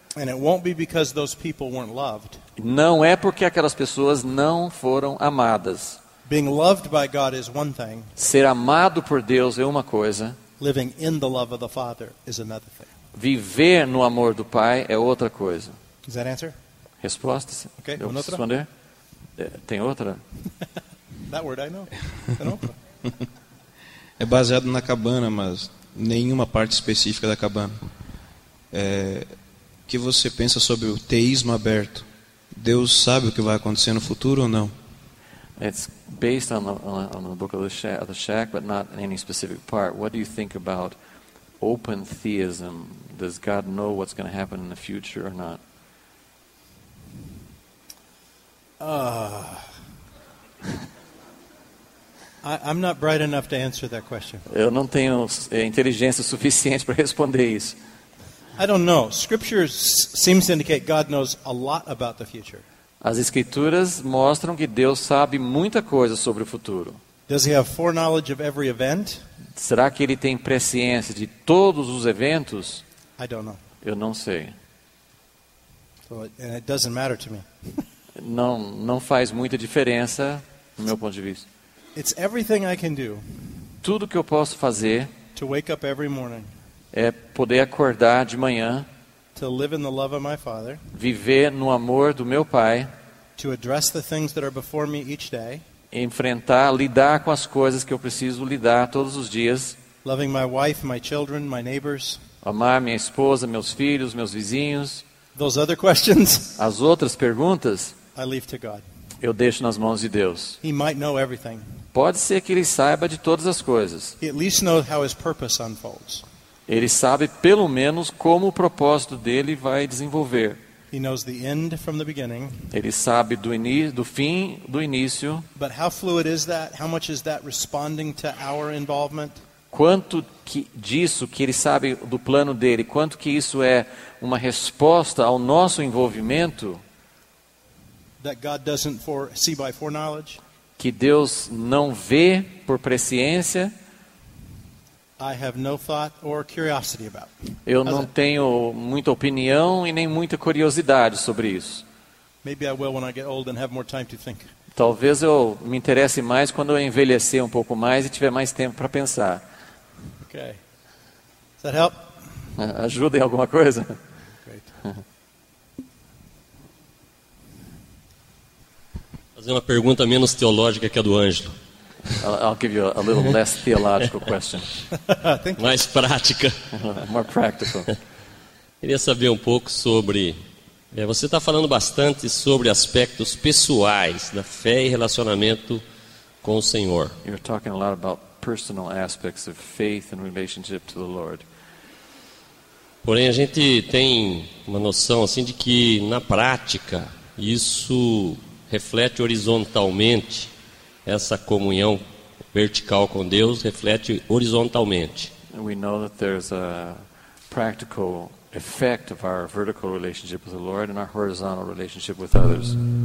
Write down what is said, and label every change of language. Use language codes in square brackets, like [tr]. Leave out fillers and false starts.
[en] And it won't be because those people weren't loved. [pt] Não é porque aquelas pessoas não foram amadas. [en] Being loved by God is one thing. [pt] Ser amado por Deus é uma coisa. [en] Living in the love of the Father is another thing. [pt] Viver no amor do Pai é outra coisa. [en] Is that answer? [pt] Resposta? Ok, eu posso responder? Tem outra? [en] That word I know. [pt] É baseado na cabana, mas nenhuma parte específica da cabana. É, o que você pensa sobre o teísmo aberto? Deus sabe o que vai acontecer no futuro ou não? [en] It's based on the book of the shack, but not in any specific part. What do you think about open theism? Does God know what's going to happen in the future or not? I'm not bright enough to answer that question. [pt] Eu não tenho inteligência suficiente para responder isso. [en] I don't know. Scripture seems to indicate God knows a lot about the future. [pt] As escrituras mostram que Deus sabe muita coisa sobre o futuro. [en] Does he have foreknowledge of every event? [pt] Será que ele tem presciência de todos os eventos? [en] I don't know. [pt] Eu não sei. [en] So it doesn't matter to me. [pt] Não faz muita diferença do meu ponto de vista. [en] It's everything I can do. [pt] Tudo que eu posso fazer [en] to wake up every morning. [pt] É poder acordar de manhã. [en] To live in the love of my Father. [pt] Viver no amor do meu Pai. [en] To address the things that are before me each day. [pt] Enfrentar, lidar com as coisas que eu preciso lidar todos os dias. [en] Loving my wife, my children, my neighbors. [pt] Amar minha esposa, meus filhos, meus vizinhos. [en] Those other questions, [pt] as outras perguntas, [en] I leave to God. [pt] Eu deixo nas mãos de Deus. [en] He might know everything. [pt] Pode ser que ele saiba de todas as coisas. [en] He at least knows how his purpose unfolds. [pt] Ele sabe pelo menos como o propósito dele vai desenvolver. [en] He knows the end from the beginning. [pt] Ele sabe do fim do início. [en] But how fluid is that? How much is that responding to our involvement? [pt] Quanto que disso que ele sabe do plano dele, quanto que isso é uma resposta ao nosso envolvimento? [en] That God doesn't see by foreknowledge. [pt] Que Deus não vê por presciência. [en] I have no thought or curiosity about. [pt] Eu não tenho muita opinião e nem muita curiosidade sobre isso. [en] Maybe I will when I get old and have more time to think. [pt] Talvez eu me interesse mais quando eu envelhecer um pouco mais e tiver mais tempo para pensar. [en] Okay. Does that help? [pt] Ajuda em alguma coisa? [en] Great. [pt] Fazer uma pergunta menos teológica que a do Ângelo. [en] I'll give you a little less theological question. [pt] Mais prática. [en] More practical. [pt] Queria saber um pouco sobre... você está falando bastante sobre aspectos pessoais da fé e relacionamento com o Senhor. [en] You're talking a lot about personal aspects of faith and relationship to the Lord. [pt] Porém, a gente tem uma noção assim de que, na prática, isso reflete horizontalmente. Essa comunhão vertical com Deus reflete horizontalmente. [en] We know that there's a practical effect of our vertical relationship with the Lord and our horizontal relationship with others.